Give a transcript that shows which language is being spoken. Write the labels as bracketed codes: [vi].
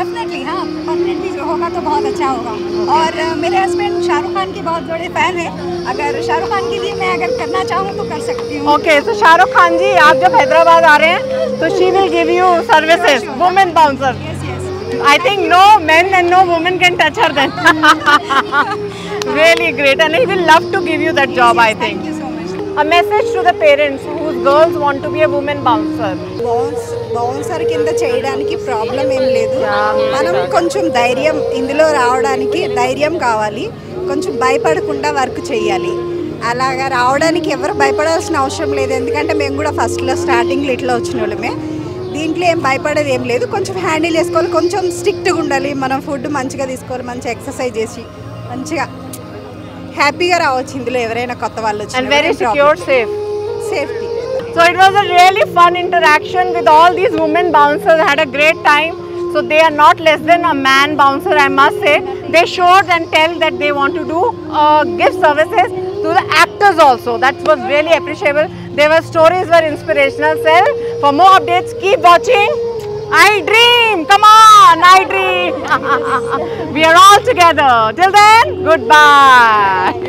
[hi] Definitely हाँ permanently जो होगा तो बहुत अच्छा होगा और मेरे हस्बैंड शाहरुख खान के बहुत बड़े फैन हैं अगर शाहरुख खान के लिए मैं अगर करना चाहूँ तो कर सकती हूँ [en] okay so [hi] शाहरुख खान जी आप जब हैदराबाद आ रहे हैं तो [en] She will give you services women bouncer I think no men and no women can touch her then. Really great. And he will love to give you that job, yes, I think. Thank you so much. A message to the parents whose girls want to be a woman bouncer. [te] Bouncer kinda cheyadaniki problem em ledhu. Manam koncham dhairyam indilo raavadaniki dhairyam kavali. Koncham bayapadakunda work cheyali. Alaga raavadaniki evaru bayapadalsina avasaram ledhu. Endukante mem kuda first lo starting little vachinollame. దీంట్లో ఏం భయపడేది ఏం లేదు కొంచెం handle చేసుకోవాలి కొంచెం స్ట్రిక్ట్గా ఉండాలి మనం ఫుడ్ మంచిగా తీసుకోవాలి మంచిగా ఎక్సర్సైజ్ చేసి మంచిగా హ్యాపీగా రావచ్చు ఇందులో ఎవరైనా కొత్త వాళ్ళు వచ్చి [en] Very secure safe safety so it was a really fun interaction with all these women bouncers had a great time so they are not less than a man bouncer I must say they shores and tell that they want to do give services to the actors also that was really appreciable Their stories were inspirational, sir. For more updates, keep watching. I dream. Come on, I dream. We are all together. Till then, goodbye.